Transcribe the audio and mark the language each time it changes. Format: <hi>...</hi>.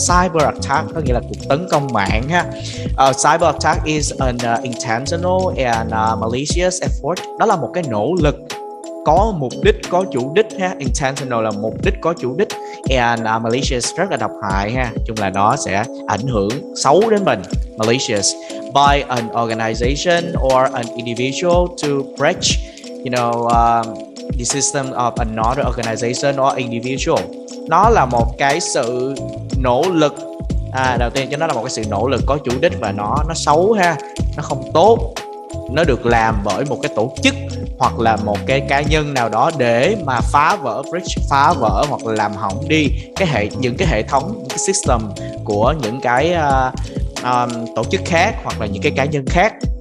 <en>Cyber attack có nghĩa là cuộc tấn công mạng ha. Cyber attack is an intentional and malicious effort,</en> <vi>đó là một cái nỗ lực có mục đích, có chủ đích ha. Intentional là mục đích, có chủ đích,</vi> <en>and malicious</en> <vi>rất là độc hại ha, chung là nó sẽ ảnh hưởng xấu đến mình.</vi> <en>Malicious by an organization or an individual to breach, you know, the system of another organization or individual.</en> <vi>Nó là một cái sự nỗ lực, đầu tiên cho nó là một cái sự nỗ lực có chủ đích và nó xấu ha, nó không tốt. Nó được làm bởi một cái tổ chức hoặc là một cái cá nhân nào đó để mà phá vỡ breach, phá vỡ hoặc là làm hỏng đi cái hệ, những cái hệ thống, những cái system của những cái tổ chức khác hoặc là những cái cá nhân khác.</vi>